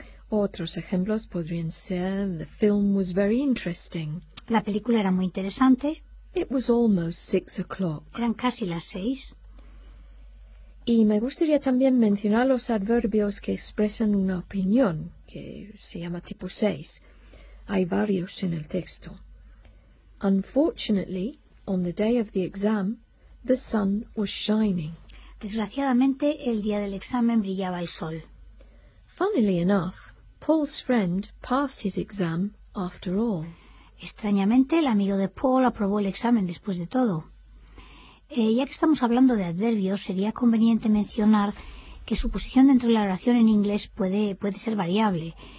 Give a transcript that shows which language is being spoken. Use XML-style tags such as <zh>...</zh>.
<es>Otros ejemplos podrían ser,</es> <en>the film was very interesting.</en> <es>La película era muy interesante.</es> <en>It was almost 6 o'clock.</en> <es>Eran casi las 6. Y me gustaría también mencionar los adverbios que expresan una opinión, que se llama tipo 6. Hay varios en el texto.</es> <en>Unfortunately, on the day of the exam, the sun was shining.</en> <es>Desgraciadamente, el día del examen brillaba el sol.</es> <en>Funnily enough, Paul's friend passed his exam after all.</en> <es>Extrañamente, el amigo de Paul aprobó el examen después de todo. Ya que estamos hablando de adverbios, sería conveniente mencionar que su posición dentro de la oración en inglés puede ser variable.</es>